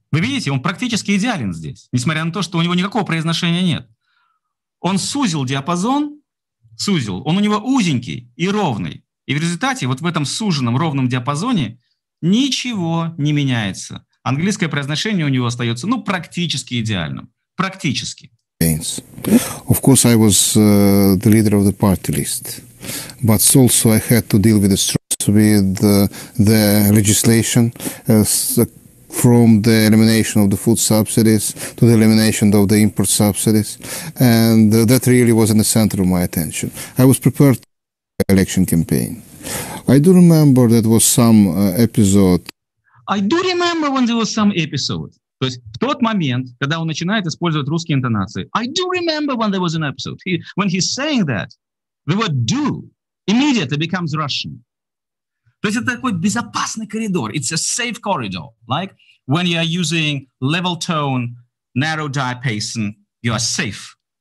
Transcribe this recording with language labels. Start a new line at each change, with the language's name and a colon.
Russian: Вы видите, он практически идеален здесь, несмотря на то, что у него никакого произношения нет. Он сузил диапазон, сузил. Он у него узенький и ровный. И в результате вот в этом суженном ровном диапазоне ничего не меняется. Английское произношение у него остается, ну, практически идеальным. Практически.
English: Of course, I was the leader of the party list, but also I had to deal with the legislation from the elimination of the food subsidies to the elimination of the import subsidies, and that really was in the center of my attention. I was prepared for the election campaign. I do remember that was some episode. I do remember when there was some episode.
Russian: То есть в тот момент, когда он начинает использовать русские интонации,
English: I do remember when there was an episode. When he's saying that, the word do immediately becomes Russian.
Russian: То есть это такой безопасный коридор.
English: It's a safe corridor. Like when you are using level tone, narrow diapason, you are safe.